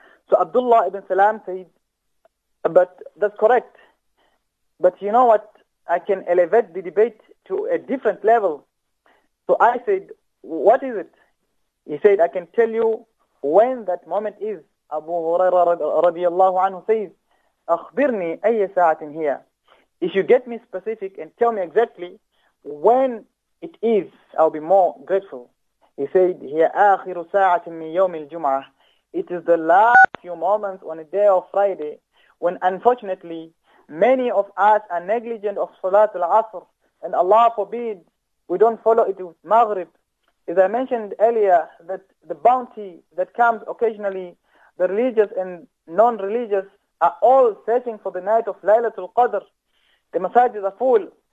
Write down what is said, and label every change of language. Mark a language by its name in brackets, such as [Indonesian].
[English] So Abdullah ibn Salam said, but that's correct. But you know what? I can elevate the debate to a different level. So I said, what is it? He said, I can tell you when that moment is. Abu Huraira radiallahu anhu says, [Arabic] أخبرني أي ساعة هي. [English] If you get me specific and tell me exactly when it is, I'll be more grateful. He said, [Arabic] هي آخر ساعة من يوم الجمعة. [English] It is the last few moments on a day of Friday when unfortunately many of us are negligent of Salat al-Asr, and Allah forbid we don't follow it with Maghrib. As I mentioned earlier, that the bounty that comes occasionally, the religious and non-religious are all searching for the night of Laylatul Qadr. The masajid are full.